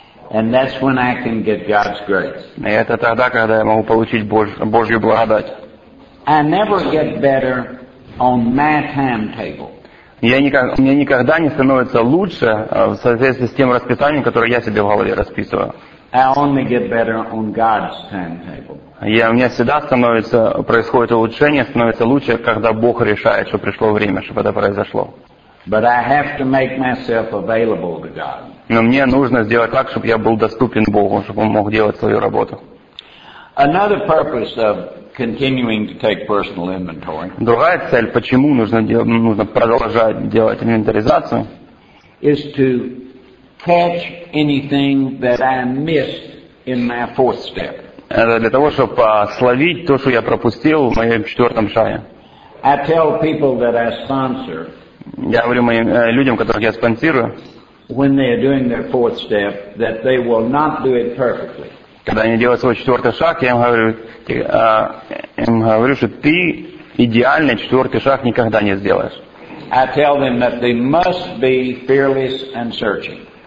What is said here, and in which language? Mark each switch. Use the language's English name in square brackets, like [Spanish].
[English] And that's when I can get God's grace. [Russian] И это тогда, когда я могу получить Божью благодать. [English] I never get better on my timetable. [Russian] Мне никогда не становится лучше в соответствии с тем расписанием, которое я себе в голове расписываю. [English] I only get better on God's timetable. [Russian] Я у меня всегда становится происходит улучшение, становится лучше, когда Бог решает, что пришло время, чтобы это произошло. [English] But I have to make myself available to God. [Russian] Но мне нужно сделать так, чтобы я был доступен Богу, чтобы он мог делать свою работу. [English] Another purpose of continuing to take personal inventory. [Russian] Другая цель, почему нужно продолжать делать инвентаризацию, [English] is to catch anything that I missed in my fourth step. [Russian] Это для того, чтобы словить то, что я пропустил в моем четвертом шаге. [English] I tell people that I sponsor. [Russian] Я говорю моим людям, которых я спонсирую. [English] When they are doing their fourth step, that they will not do it perfectly. [Russian] Когда они делают свой четвертый шаг, я им говорю, что ты идеальный четвертый шаг никогда не сделаешь. [English] I tell them that they must be fearless and searching.